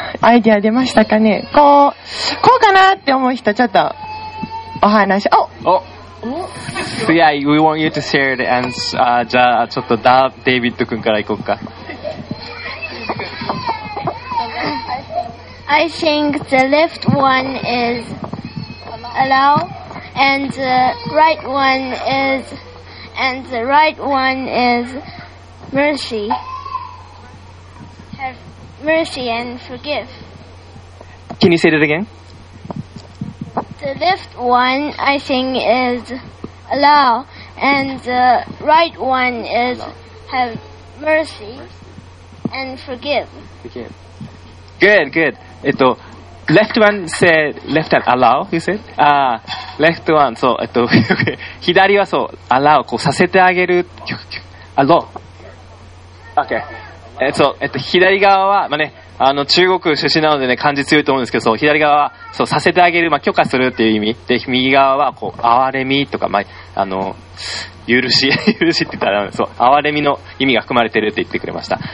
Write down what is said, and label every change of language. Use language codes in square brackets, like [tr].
[ja] アイデア出ましたかね。こうかなって思う人、ちょっとお話。お。 [en] So yeah, we want you to share the answer. [ja] じゃあちょっとデイビッド君から行こうか。 [en] I think the left one is allow, and the right one is, and the right one is mercy. Have mercy and forgive. Can you say that again? The left one, I think, is allow, and the right one is have mercy and forgive. Good, good. Left one said, left one allow, you said? Ah, left one, so, [ja] 左はそう、 [en] allow, [ja] こうさせてあげる、 [en] allow. Okay. [ja] So, 左側は、まあね、中国出身なのでね、漢字強いと思うんですけど、そう、左側は、そう、させてあげる、まあ、許可するっていう意味。で、右側は、こう、憐れみとか、まあ、許し、許しって言ったら、そう、憐れみの意味が含まれてるって言ってくれました。